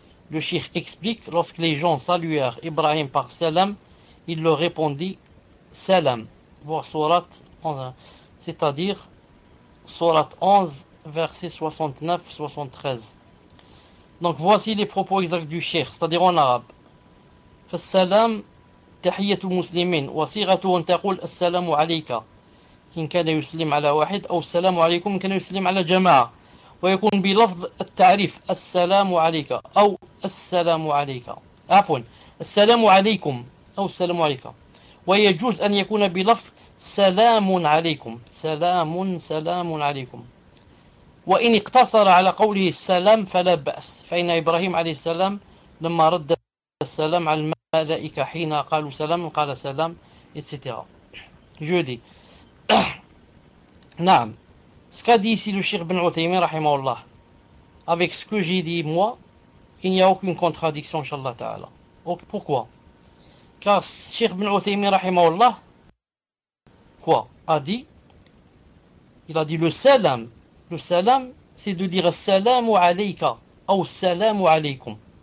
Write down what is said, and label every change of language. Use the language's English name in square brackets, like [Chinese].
[French] Le Cheikh explique, lorsque les gens saluèrent Ibrahim par salam, il leur répondit salam. Voir sourate 11, c'est-à-dire sourate 11, verset 69-73. Donc voici les propos exacts du Cheikh, c'est-à-dire en arabe. [Arabic] فالسلام تحية المسلمين وصيغته أن تقول السلام عليك إن كان يسلم على واحد أو السلام عليكم إن كان يسلم على جماعة ويكون بلفظ التعريف السلام عليك أو السلام عليك، عفوا السلام عليكم أو السلام عليك، ويجوز أن يكون بلفظ سلام عليكم، سلام سلام عليكم، وإن اقتصر على قوله السلام فلا بأس، فإن إبراهيم عليه السلام لما رد السلام على الملائكة حين قالوا سلام قال سلام etc. جودي. نعم. [French] Ce qu'a dit ici le Cheikh Ibn Uthaymeen rahimahullah avec ce que j'ai dit moi, il n'y a aucune contradiction, inshallah ta'ala. Pourquoi? Car Cheikh Ibn Uthaymeen rahimahullah, quoi, a dit, il a dit le salam, c'est de dire salamu alayka ou salamu alaykum.